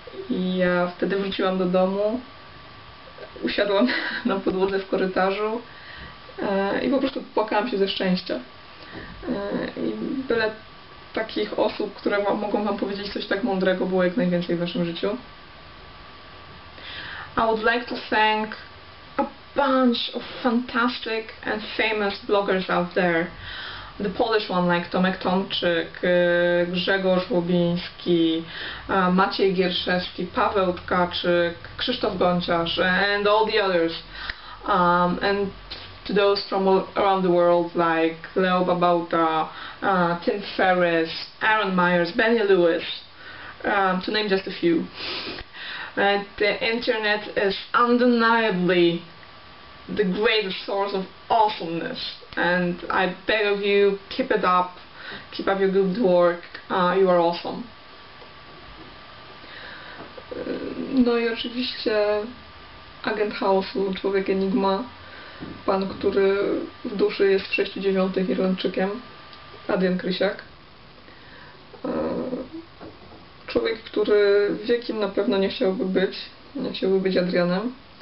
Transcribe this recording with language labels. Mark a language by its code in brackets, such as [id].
[pl] I ja wtedy wróciłam do domu, usiadłam na podłodze w korytarzu i po prostu płakałam się ze szczęścia. I byle takich osób, które mogą wam powiedzieć coś tak mądrego, było jak najwięcej w waszym życiu. [en] I would like to thank a bunch of fantastic and famous bloggers out there. The Polish one, like Tomek Tomczyk, Grzegorz Łubiński, Maciej Gierszewski, Paweł Tkaczyk, Krzysztof Gonciarz, and all the others. And to those from all around the world, like Leo Babauta, Tim Ferriss, Aaron Myers, Benny Lewis, to name just a few. The internet is undeniably the greatest source of awesomeness, and I beg of you, keep it up, keep up your good work, you are awesome. [pl] No i oczywiście agent chaosu, człowiek enigma, pan, który w duszy jest w 6/9 Irlandczykiem, Adrian Krysiak. Człowiek, który wiekiem na pewno nie chciałby być Adrianem.